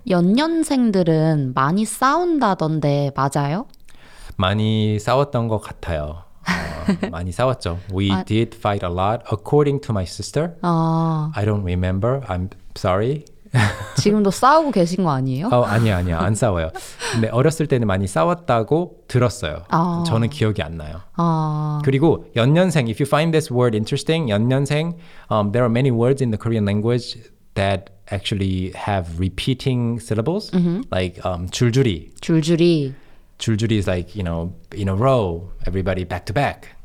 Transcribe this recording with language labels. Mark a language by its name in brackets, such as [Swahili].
[Korean] 연년생들은 많이 싸운다던데 맞아요? 많이 싸웠던 것 같아요. 많이 싸웠죠. [English] We did fight a lot according to my sister. I don't remember. I'm sorry. [Korean] 지금도 싸우고 계신 거 아니에요? 어, 아니요, 아니요. 안 싸워요. 근데 어렸을 때는 많이 싸웠다고 들었어요. 아. 저는 기억이 안 나요. 아. [English] 그리고 연년생, if you find this word interesting, 연년생, there are many words in the Korean language that actually have repeating syllables, mm-hmm. like 줄줄이. [Korean] 줄줄이. [English] 줄줄이 is like, you know, in a row, everybody back to back.